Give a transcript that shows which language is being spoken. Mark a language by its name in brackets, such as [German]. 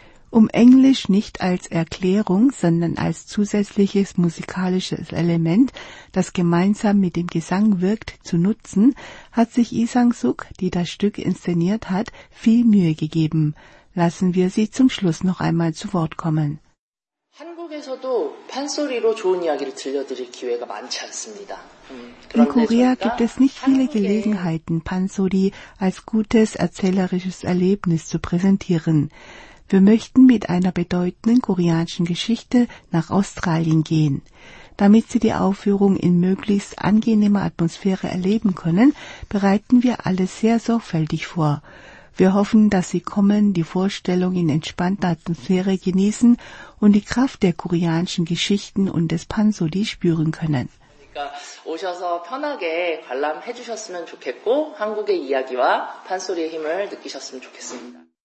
[German] Um Englisch nicht als Erklärung, sondern als zusätzliches musikalisches Element, das gemeinsam mit dem Gesang wirkt, zu nutzen, hat sich Lee Sang-suk, die das Stück inszeniert hat, viel Mühe gegeben. Lassen wir sie zum Schluss noch einmal zu Wort kommen. [Korean] 한국에서도 판소리로 좋은 이야기를 들려드릴 기회가 많지 않습니다. [German] In Korea gibt es nicht viele Gelegenheiten, Pansori als gutes erzählerisches Erlebnis zu präsentieren. Wir möchten mit einer bedeutenden koreanischen Geschichte nach Australien gehen. Damit Sie die Aufführung in möglichst angenehmer Atmosphäre erleben können, bereiten wir alles sehr sorgfältig vor. Wir hoffen, dass Sie kommen, die Vorstellung in entspannter Atmosphäre genießen und die Kraft der koreanischen Geschichten und des Pansori spüren können. [Korean] 오셔서 편하게 관람해 주셨으면 좋겠고 한국의 이야기와 판소리의 힘을 느끼셨으면 좋겠습니다.